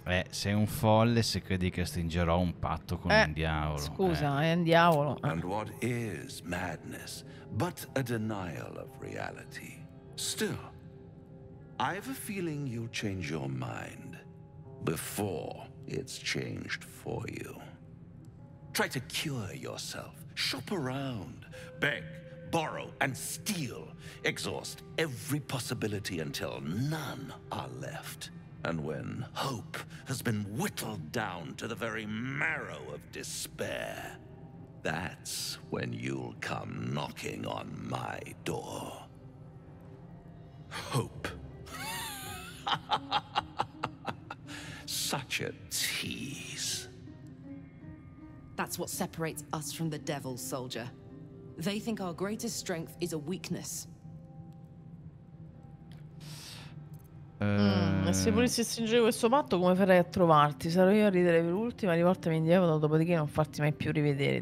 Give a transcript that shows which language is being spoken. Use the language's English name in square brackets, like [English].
[Italian] Sei un folle se credi che stringerò un patto con un diavolo. Scusa, è un diavolo. [English] And what is madness but a denial of reality? Still, I have a feeling you'll change your mind before it's changed for you. Try to cure yourself. Shop around. Beg, borrow, and steal. Exhaust every possibility until none are left. And when hope has been whittled down to the very marrow of despair, that's when you'll come knocking on my door. Hope. Such a tease. That's what separates us from the devil, soldier. They think our greatest strength is a weakness. [Italian] Se volessi stringere questo patto, come farei a trovarti? Sarò io a ridere per l'ultima, rivoltami indietro, dopodiché non farti mai più rivedere.